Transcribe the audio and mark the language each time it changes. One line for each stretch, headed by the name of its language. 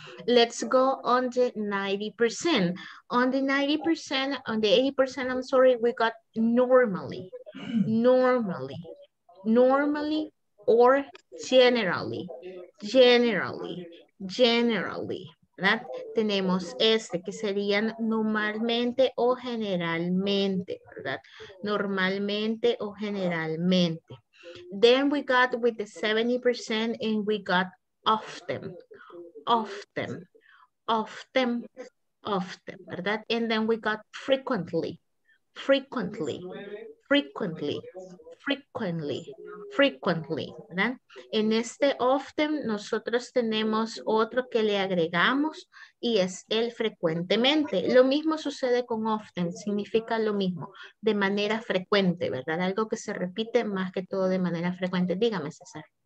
English: Let's go on the 90%. On the 80%, we got normally or generally. ¿Verdad?
Spanish: Tenemos este que serían normalmente o generalmente, ¿verdad? Normalmente o generalmente.
English: Then we got with the 70% and we got often, often, often, often, ¿verdad? And then we got frequently, frequently, frequently, frequently, frequently, ¿verdad?
Spanish: En este often nosotros tenemos otro que le agregamos y es el frecuentemente. Lo mismo sucede con often, significa lo mismo, de manera frecuente, ¿verdad? Algo que se repite más que todo de manera frecuente. Dígame, César.